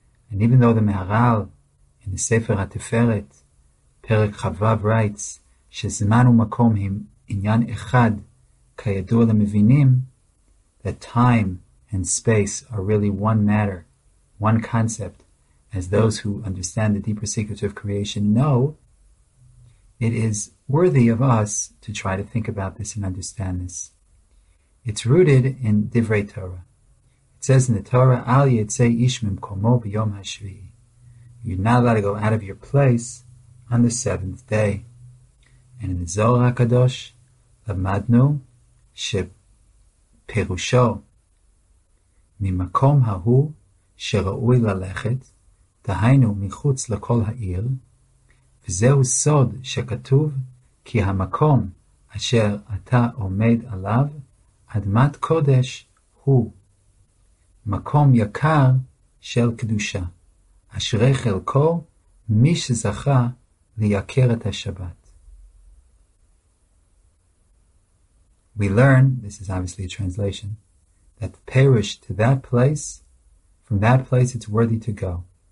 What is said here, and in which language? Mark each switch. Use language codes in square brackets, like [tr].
[en] And even though the Meharal in the Sefer HaTiferet, Perek Chavav writes, [he] Shezman u'makom him inyan echad kayadu lemevinim, [en] that time and space are really one matter, one concept, as those who understand the deeper secrets of creation know, it is worthy of us to try to think about this and understand this. It's rooted in Divrei Torah. It says in the Torah, [he] Al yetzei ish mimkomo b'yom hashvi'i. [en] You're not allowed to go out of your place on the seventh day. And in the Zohar HaKadosh, [he] Lamadnu sheperusho mimakom hahu שראוי ללכת, דהיינו מחוץ לכל העיר, וזהו סוד שכתוב, כי המקום אשר אתה עומד עליו, אדמת קודש הוא, מקום יקר של קדושה, אשרי חלקו מי שזכה ליקר את השבת. [en] We learn, this is obviously a translation, that perish to that place, from that place it's worthy to go.